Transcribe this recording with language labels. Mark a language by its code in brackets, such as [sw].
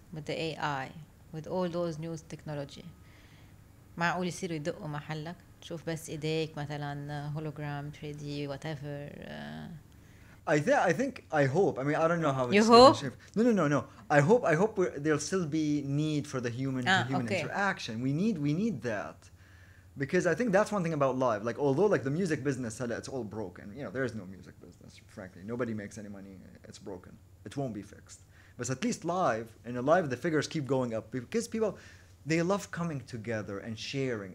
[en] With the AI, with all those new technology. [ar] معقول يصيروا يدقوا محلك تشوف بس إيديك مثلا هولوغرام 3D [en] whatever I think I hope, I mean, I don't know how it's you hope? No, I hope there'll still be need for the human to human interaction. We need that, because I think that's one thing about live, like although like the music business, it's all broken, you know, there is no music business, frankly nobody makes any money, it's broken, it won't be fixed, but at least live, and live the figures keep going up because people, they love coming together and sharing.